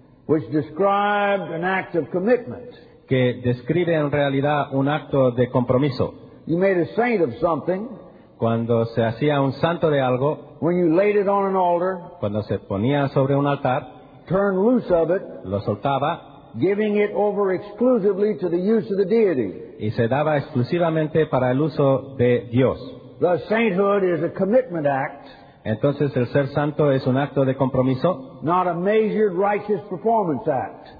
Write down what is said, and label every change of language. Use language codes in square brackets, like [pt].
[en] Which described an act of commitment. [es] Que describe en realidad un acto de compromiso. [en] You made a saint of something. [es] Cuando se hacía un santo de algo. [en] When you laid it on an altar. [es] Cuando se ponía sobre un altar. [en] Turned loose of it. [es] Lo soltaba. [en] Giving it over exclusively to the use of the deity. [es] Y se daba exclusivamente para el uso de Dios. [en] The sainthood is a commitment act. [es] Entonces el ser santo es un acto de compromiso. [en] Not a measured righteous performance act.